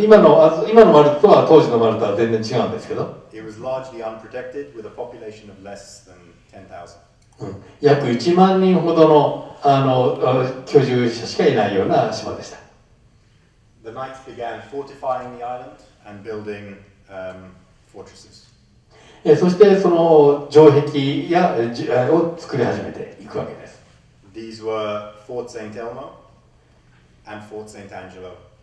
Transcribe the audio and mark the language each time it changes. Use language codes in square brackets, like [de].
[ja] 今のマルタとは当時のマルタは全然違うんですけど。 [en] It was largely unprotected with a population of less than 10,000. [ja] 約1万人ほどの居住者しかいないような島でした。 [en] The knights began fortifying the island and building fortresses. [ja] そしてその城壁やを作り始めていくわけです。 [en] These were Fort Saint Elmo and Fort Saint Angelo.